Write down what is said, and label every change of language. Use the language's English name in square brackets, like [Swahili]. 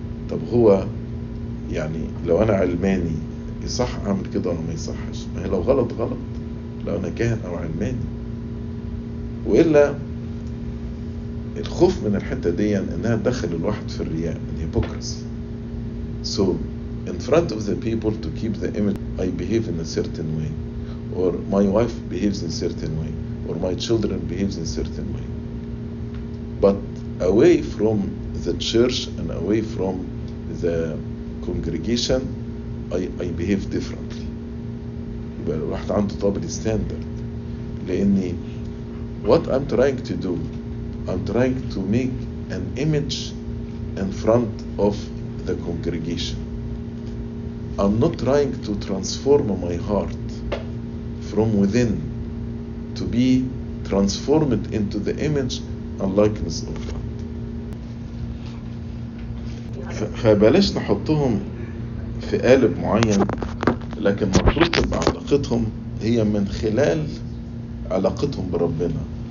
[Arabic] طب هو يعني لو انا علماني يصح اعمل كده ولا ما يصحش؟ ما هي لو غلط غلط لو انا كاهن او علماني. والا الخوف من الحته دي انها تدخل الواحد في الرياء, الهيبوكرسي. [English] So in front of the people to keep the image I behave in a certain way, or my wife behaves in a certain way, or my children behaves in a certain way, but away from the church and away from the congregation I behave differently. [Arabic] الواحد عنده [English] double standard. [Arabic] لاني [English] what I'm trying to do, I'm trying to make an image in front of the congregation. I'm not trying to transform my heart from within to be transformed into the image and likeness of God. [Arabic] فبلاش نحطهم في قالب معين, لكن مفروض تبقى علاقتهم هي من خلال علاقتهم بربنا.